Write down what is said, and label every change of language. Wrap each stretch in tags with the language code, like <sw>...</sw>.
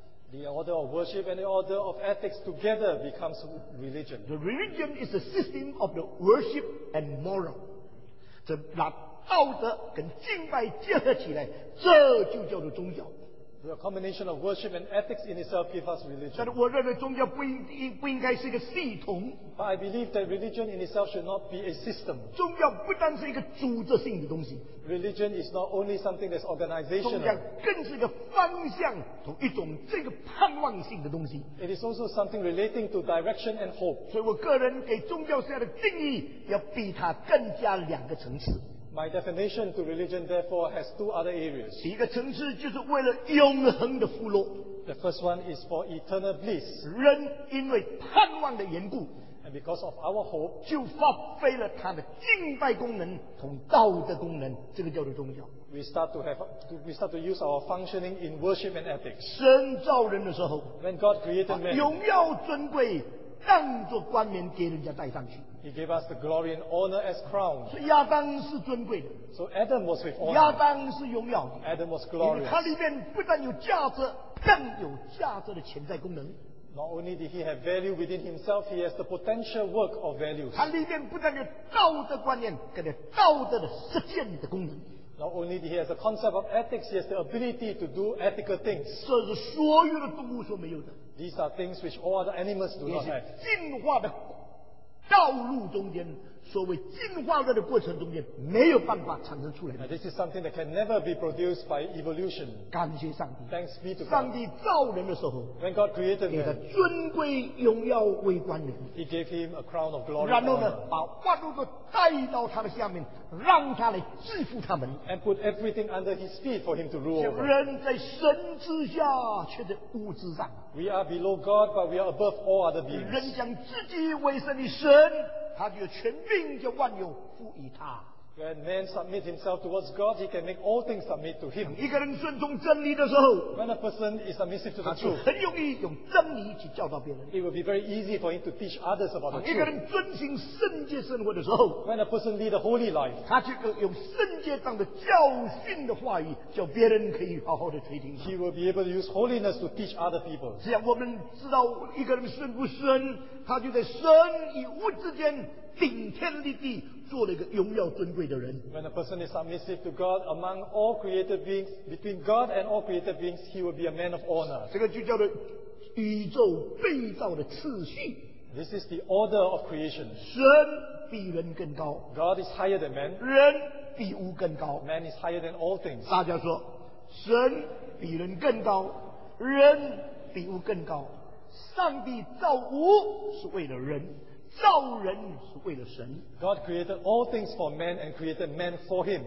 <en>The order of worship and the order of ethics together becomes religion. The religion is the system of the worship and moral.</en> <zh>这把道德跟敬拜结合起来，这就叫做宗教。</zh> <en>The combination of worship and ethics in itself gives us religion.</en> <zh>但我认为宗教不应该是一个系统。</zh> <en>But I believe that religion in itself should not be a system.</en> <zh>宗教不单是一个组织性的东西。</zh> <en>Religion is not only something that's organizational.</en> <zh>宗教更是一个方向和一种这个盼望性的东西。</zh> <en>It is also something relating to direction and hope.</en> <zh>所以我个人给宗教下的定义要比它更加两个层次。</zh> <en>My definition to religion, therefore, has two other areas.</en> <zh>第一个层次就是为了永恒的福乐。</zh> <en>The first one is for eternal bliss.</en> <zh>人因为盼望的缘故，</zh> <en>and because of our hope,</en> <zh>就发挥了他的敬拜功能和道德功能，这个叫做宗教。</zh> <en>We start to use our functioning in worship and ethics.</en> <zh>神造人的时候，</zh> <en>when God created man,</en> <zh>荣耀尊贵当作冠冕给人家戴上去。</zh> <en>He gave us the glory and honor as crown.</en> <zh>所以亚当是尊贵的。</zh> <en>So Adam was with honor.</en> <zh>亚当是荣耀的。</zh> <en>Adam was glorious.</en> <zh>因为他里面不但有价值，更有价值的潜在功能。</zh> <en>Not only did he have value within himself, he has the potential work of value.</en> <zh>他里面不但有道德观念，跟道德的实践的功能。</zh> <en>Not only did he have the concept of ethics, he has the ability to do ethical things.</en> <zh>这是所有的动物所没有的。</zh> <en>These are things which all other animals do not have.</en> <zh>进化的。道路中间，所谓进化论的过程中间，没有办法产生出来的。</zh> <en>This is something that can never be produced by evolution.</en> <zh>感谢上帝。</zh> <en>Thanks be to God.</en> <zh>上帝造人的时候，</zh> <en>when God created man,</en> <zh>给他尊贵、荣耀、为冠冕。</zh> <en>He gave him a crown of glory.</en> <zh>然后呢，把万物都带到他的下面，让他来制服他们。</zh> <en>And put everything under his feet for him to rule over.</en> <zh>人在神之下，却在物之上。</zh> <en>We are below God, but we are above all other beings.</en> <zh>人将自己为神的神，他就全命就万有赋予他。</zh> <en>When man submits himself towards God, he can make all things submit to him.</en> <zh>一个人顺从真理的时候，</zh> <en>when a person is submissive to the truth,</en> <zh>很容易用真理去教导别人。</zh> <en>It will be very easy for him to teach others about the truth.</en> <zh>一个人遵循圣洁生活的时候，</zh> <en>when a person lead a holy life,</en> <zh>他就用圣洁上的教训的话语，叫别人可以好好的垂听。</zh> <en>He will be able to use holiness to teach other people.</en> <zh>只要我们知道一个人顺不顺，他就在神与物之间顶天立地。做了一个荣耀尊贵的人。</zh> <en>When a person is submissive to God among all created beings, between God and all created beings, he will be a man of honor.</en> <zh>这个就叫做宇宙被造的次序。</zh> <en>This is the order of creation.</en> <zh>神比人更高。</zh> <en>God is higher than man.</en> <zh>人比物更高。</zh> <en>Man is higher than all things.</en> <zh>大家说，神比人更高，人比物更高。上帝造物是为了人。造人是为了神。</zh> <en>God created all things for man and created man for him.</en>